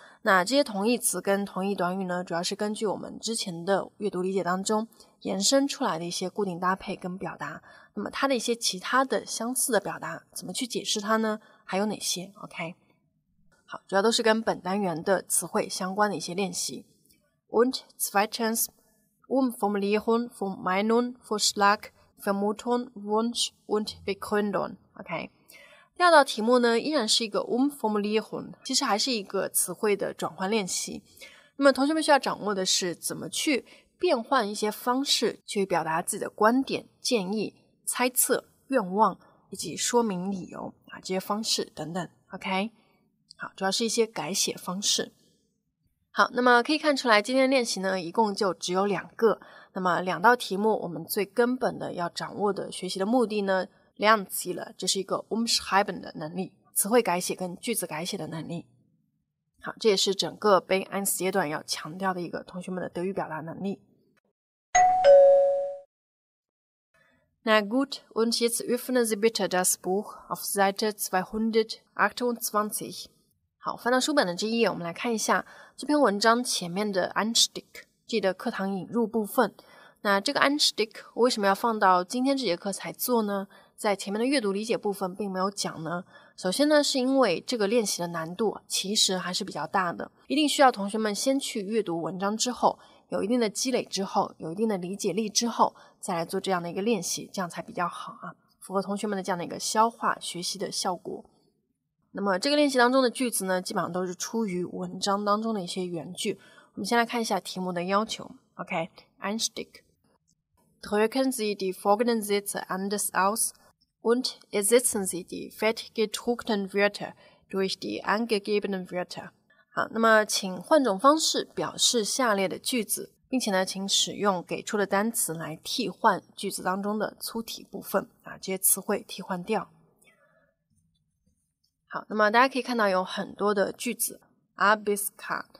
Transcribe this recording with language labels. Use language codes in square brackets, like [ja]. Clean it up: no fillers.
[zh] 那这些同义词跟同义短语呢，主要是根据我们之前的阅读理解当中延伸出来的一些固定搭配跟表达。那么它的一些其他的相似的表达，怎么去解释它呢？还有哪些 ？OK， 好，主要都是跟本单元的词汇相关的一些练习。 [de] Und zweitens. Umformulierung von Meinung, Vorschlag, Vermutung, Wunsch und Begründung. [zh] OK， 第二道题目呢，依然是一个 Umformulierung， 其实还是一个词汇的转换练习。那么同学们需要掌握的是怎么去变换一些方式去表达自己的观点、建议、猜测、愿望以及说明理由啊，这些方式等等。 OK， 好，主要是一些改写方式。好，那么可以看出来今天的练习呢一共就只有两个，那么两道题目我们最根本的要掌握的学习的目的呢量级了，这是一个 umschreiben 的能力，词汇改写跟句子改写的能力。好，这也是整个 B1 阶段要强调的一个同学们的德语表达能力。 [de] Na gut, und jetzt öffnen Sie bitte das Buch auf Seite 228. [zh] 好，翻到书本的这一页，我们来看一下这篇文章前面的 Einstieg， 记得课堂引入部分。那这个 Einstieg 我为什么要放到今天这节课才做呢？在前面的阅读理解部分并没有讲呢。首先呢，是因为这个练习的难度其实还是比较大的，一定需要同学们先去阅读文章之后，有一定的积累之后，有一定的理解力之后，再来做这样的一个练习，这样才比较好啊，符合同学们的这样的一个消化学习的效果。那么这个练习当中的句子呢，基本上都是出于文章当中的一些原句。我们先来看一下题目的要求。 [de] OK,Einstieg. Drücken Sie die folgenden Sätze anders aus und ersetzen Sie die fertiggedruckten Wörter durch die angegebenen Wörter. [zh] 好，那么请换种方式表示下列的句子，并且呢，请使用给出的单词来替换句子当中的粗体部分，这些词汇替换掉。好，那么大家可以看到有很多的句子 ，a bis k。